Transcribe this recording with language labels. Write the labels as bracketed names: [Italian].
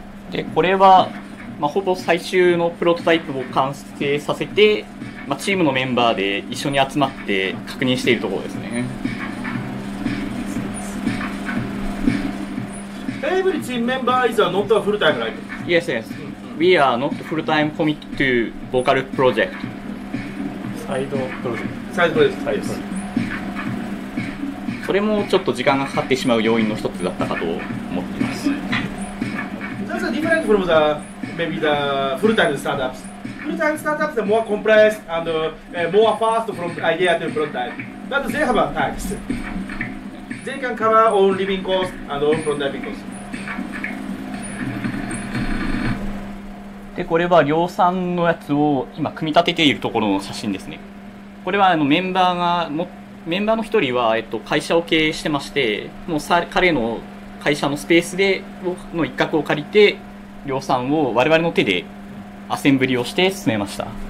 [Japanese] で、これは、まあ、ほぼ最終のプロトタイプを完成させて、まあ、チームのメンバーで一緒に集まって確認しているところですね。 [English] Every team member is not a full-time life. Yes, yes. We are not full-time commit to VOCALOOP project. Side project. Side project. Side project. [Japanese] それもちょっと時間がかかってしまう要因の一つだったかと思っています。 [English] That's a different from the maybe the full-time startups. Full-time startups are more compressed and more fast from idea to prototype. But they have a tax. They can cover all living costs and all prototyping costs. [Japanese] でこれは量産のやつを今組み立てているところの写真ですね。これはあのメンバーの一人は会社を経営してまして、もう彼の会社のスペースでの一角を借りて量産を我々の手でアセンブリをして進めました。